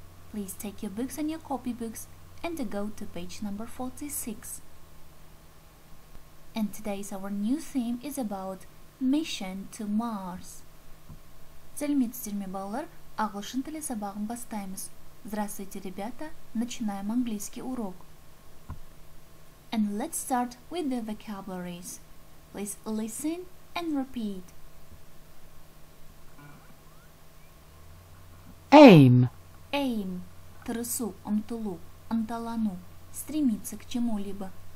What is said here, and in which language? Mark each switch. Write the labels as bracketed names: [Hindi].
[English] Please take your books and your copybooks and go to page number 46. And today's our new theme is about mission to Mars. [Kazakh] Сәлеметсіздер ме, балалар? Ағылшын тілі сабағын бастаймыз. [Russian] Здравствуйте, ребята! Начинаем английский урок. [English] And let's start with the vocabularies. Please listen and repeat. Aim. Aim. [Kazakh] Тырысу, ұмтылу, ынталану, [Russian] стремиться к чему-либо.